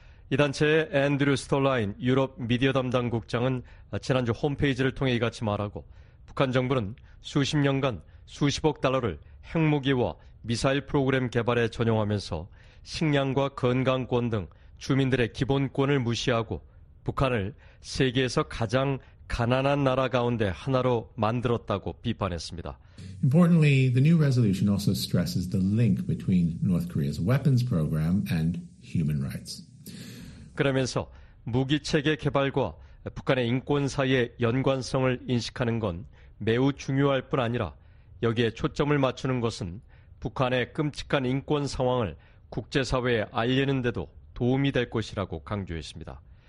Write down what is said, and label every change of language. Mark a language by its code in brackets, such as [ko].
[ko] 이 단체의 앤드류 스톨라인 유럽 미디어 담당 국장은 지난주 홈페이지를 통해 이같이 말하고 북한 정부는 수십 년간 수십억 달러를 핵무기와 미사일 프로그램 개발에 전용하면서 식량과 건강권 등 주민들의 기본권을 무시하고 북한을 세계에서 가장 가난한 나라 가운데 하나로 만들었다고 비판했습니다. [en] Importantly, the new resolution also stresses the link between North Korea's weapons program and human rights. [ko] 그러면서 무기 체계 개발과 북한의 인권 사이의 연관성을 인식하는 건 매우 중요할 뿐 아니라 여기에 초점을 맞추는 것은 북한의 끔찍한 인권 상황을 국제사회에 알리는데도 도움이 될 것이라고 강조했습니다.